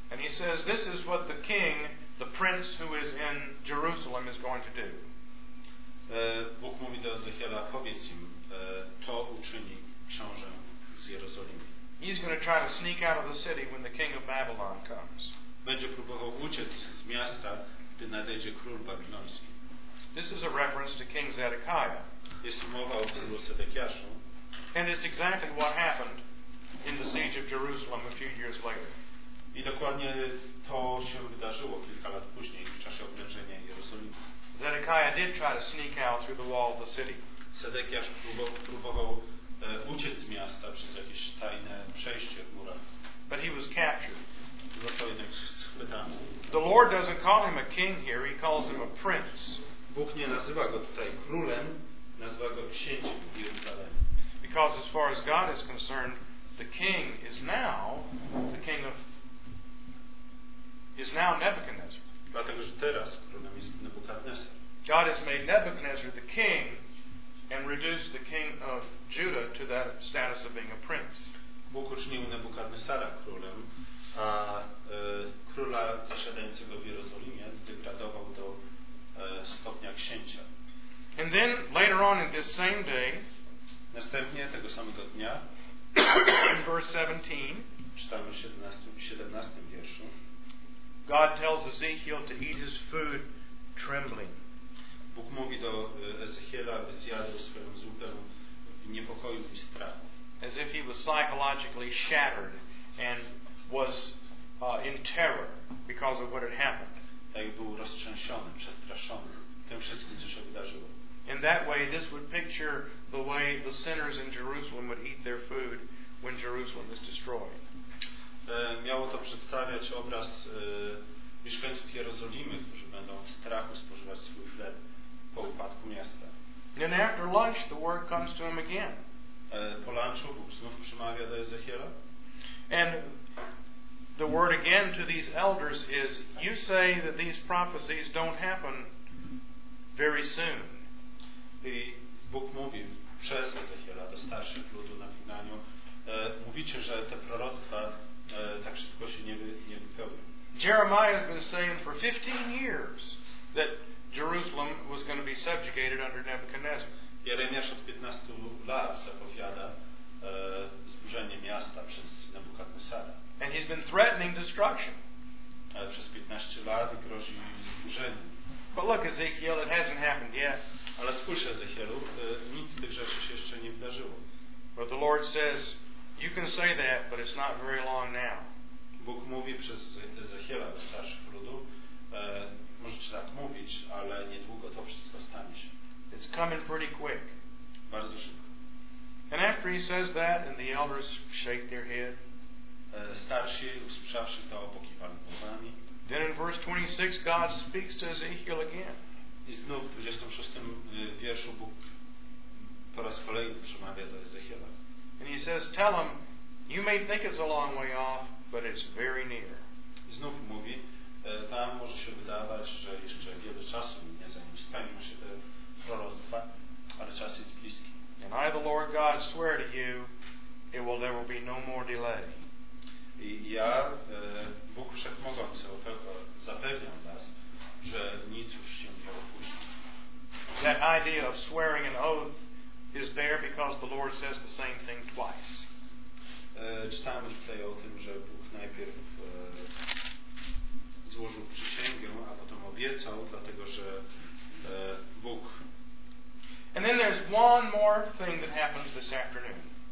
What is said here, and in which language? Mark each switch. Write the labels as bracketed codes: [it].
[en] says, this is what the king, the prince who is in Jerusalem is going to do. [pl] Bóg mówi do Ezechiela, powiedz im, to uczyni książę z Jerozolimy. [en] He's going to try to sneak out of the city when the king of Babylon comes. [pl] Będzie próbował uciec z miasta, gdy nadejdzie król babiloński. [en] This is a reference to King Zedekiah. [pl] Jest mowa o królu Zedekiaszu. [en] And it's exactly what happened in the siege of Jerusalem a few years later. [pl] I dokładnie to się wydarzyło kilka lat później w czasie obnażenia Jerozolimy. [en] Zedekiah did try to sneak out through the wall of the city. [pl] Zedekiasz próbował uciec z miasta przez jakieś tajne przejście w murach. [en] But he was captured. [pl] Został jednak schwytany. [en] The Lord doesn't call him a king here, he calls him a prince. [pl] Bóg nie nazywa go tutaj królem, nazywa go księciem w Jerozolimie. [en] Because as far as God is concerned, the king is now the king of is now Nebuchadnezzar. [pl] Dlatego, że teraz królem jest Nebuchadnezzar. [en] God has made Nebuchadnezzar the king and reduced the king of Judah to that status of being a prince. [pl] Bóg uczynił Nebuchadnezzara królem, a króla zasiadającego w Jerozolimie zdegradował do stopnia księcia. [en] And then later on in this same day, [pl] następnie tego samego dnia, [en] in verse 17, [pl] czytamy w 17 wierszu, [en] God tells Ezekiel to eat his food trembling. [pl] Bóg mówi do Ezechiela, aby zjadł swoją zupę w niepokoju i strachu. [en] As if he was psychologically shattered and was in terror because of what had happened. [pl] Tak był roztrzęsiony, przestraszony tym wszystkim, co się wydarzyło. [en] In that way, this would picture the way the sinners in Jerusalem would eat their food when Jerusalem is destroyed. [pl] Miało to przedstawiać obraz mieszkańców Jerozolimy, którzy będą w strachu spożywać swój chleb po upadku miasta. [en] And after lunch, the word comes to him again. [pl] Po lunchu Bóg znów przemawia do Ezechiela. [en] And the word again to these elders is, you say that these prophecies don't happen very soon. [pl] I Bóg mówi przez Ezechiela do starszych ludu na wygnaniu, mówicie, że te proroctwa tak szybko się nie wypełnią. [en] Jeremiah has been saying for 15 years that Jerusalem was going to be subjugated under Nebuchadnezzar. [pl] Jeremiasz od 15 lat zapowiada zburzenie miasta przez Nebuchadnezzara. [en] And he's been threatening destruction. [pl] Przez 15 lat grozi zburzeniem. [en] But look, Ezekiel, it hasn't happened yet. [pl] Ale spójrz, Ezechielu, nic z tych rzeczy się jeszcze nie wydarzyło. [en] But the Lord says, you can say that, but it's not very long now. [pl] Bóg mówi przez Ezechiela do starszych ludu, możecie tak mówić, ale niedługo to wszystko stanie się. [en] It's coming pretty quick. [pl] Bardzo szybko. [en] And after he says that, and the elders shake their head. [pl] Starsi, usłyszawszy to, pokiwali głowami. [en] Then in verse 26, God speaks to Ezekiel again. [pl] I znów w 26 wierszu Bóg po raz kolejny przemawia do Ezechiela. [en] And he says, tell him, you may think it's a long way off, but it's very near. [pl] I znów mówi, tam może się wydawać, że jeszcze wiele czasu minie, zanim spełnią się te proroctwa, ale czas jest bliski. [en] And I, the Lord God, swear to you, it will never be no more delay. [pl] I ja, Bóg Wszechmogący, zapewniam was, że nic już się nie opuści. [en] That idea of swearing an oath is there because the Lord says the same thing twice. [pl] Czytamy tutaj o tym, że Bóg najpierw złożył przysięgę, a potem obiecał, dlatego że Bóg... [en] And then there's one more thing that happens this afternoon.